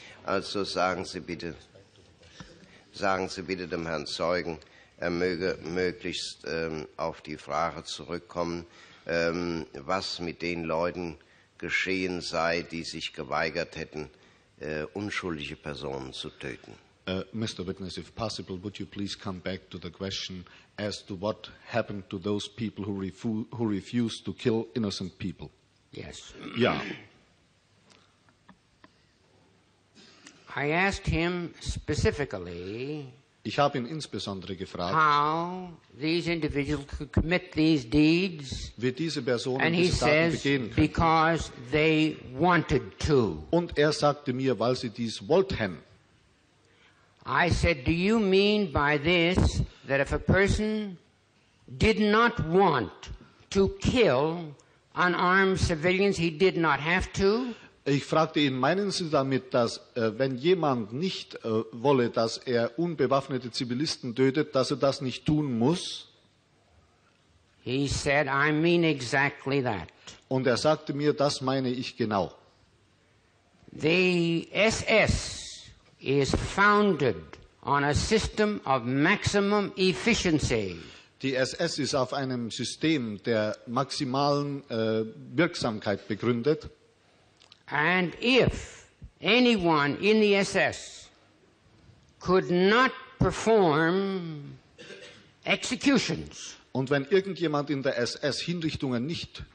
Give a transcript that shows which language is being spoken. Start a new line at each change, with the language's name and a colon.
German: Also sagen Sie bitte dem Herrn Zeugen, er möge möglichst auf die Frage zurückkommen, was mit den Leuten geschehen sei, die sich geweigert hätten, unschuldige Personen zu töten.
English: Mr. Witness, if possible, would you please come back to the question as to what happened to those people who refused to kill innocent people? Yes. Yeah. I asked him specifically,
German: ich habe ihn insbesondere gefragt,
English: how these individuals could commit these deeds,
German: wie diese Personen
English: and
German: diese
English: he
German: Taten
English: says,
German: begehen können.
English: Because they wanted to.
German: Und er sagte mir, weil sie dies wollten.
English: I said, do you mean by this that if a person did not want to kill unarmed civilians, he did not have to?
German: Ich fragte ihn, meinen Sie damit, dass wenn jemand nicht wolle, dass er unbewaffnete Zivilisten tötet, dass er das nicht tun muss?
English: He said, I mean exactly that.
German: Und er sagte mir, das meine ich genau.
English: The SS is founded on a system of maximum efficiency.
German: Die SS ist auf einem System der maximalen Wirksamkeit begründet.
English: And if anyone in the SS could not perform executions,
German: und wenn irgendjemand in der SS Hinrichtungen nicht